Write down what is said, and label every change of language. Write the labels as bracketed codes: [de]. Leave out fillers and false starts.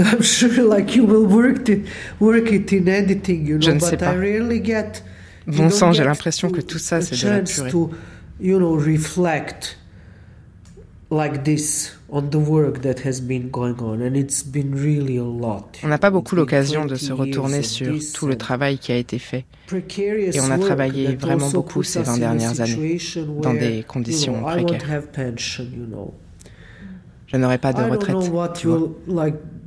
[en] I'm sure, like you will work it in editing, you know. [fr] Je ne sais pas. Bon sang, j'ai l'impression que tout ça, c'est de la purée. [en] To, you know, reflect like this on the work that has been going on, and it's been really a lot. [fr] On n'a pas beaucoup l'occasion de se retourner sur tout le travail qui a été fait, et on a travaillé vraiment beaucoup ces 20 dernières années dans des conditions précaires. Je n'aurai pas de retraite.